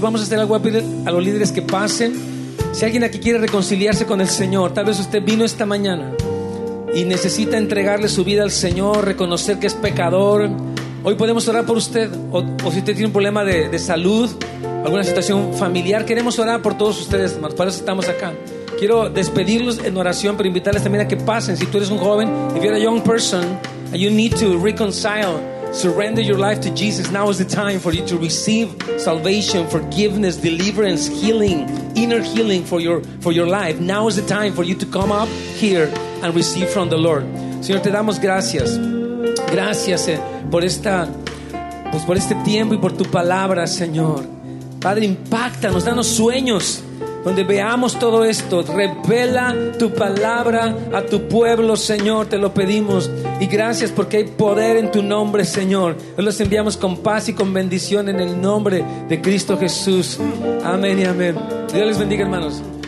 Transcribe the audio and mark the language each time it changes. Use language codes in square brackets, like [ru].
[es] Vamos a hacer algo, a pedir a los líderes que pasen. Si alguien aquí quiere reconciliarse con el Señor, tal vez usted vino esta mañana y necesita entregarle su vida al Señor, reconocer que es pecador, hoy podemos orar por usted. O si usted tiene un problema de salud, alguna situación familiar, queremos orar por todos ustedes, hermanos. Para eso estamos acá. Quiero despedirlos en oración, pero invitarles también a que pasen. Si tú eres un joven, [en] if you're a young person and you need to reconcile, surrender your life to Jesus, now is the time for you to receive salvation, forgiveness, deliverance, healing, inner healing for your life. Now is the time for you to come up here and receive from the Lord. [es] Señor, te damos gracias. Gracias por este tiempo y por tu palabra, Señor. Padre, impáctanos, danos sueños donde veamos todo esto. Revela tu palabra a tu pueblo, Señor, te lo pedimos. Y gracias porque hay poder en tu nombre, Señor. Hoy los enviamos con paz y con bendición en el nombre de Cristo Jesús. Amén y amén. Dios les bendiga, hermanos.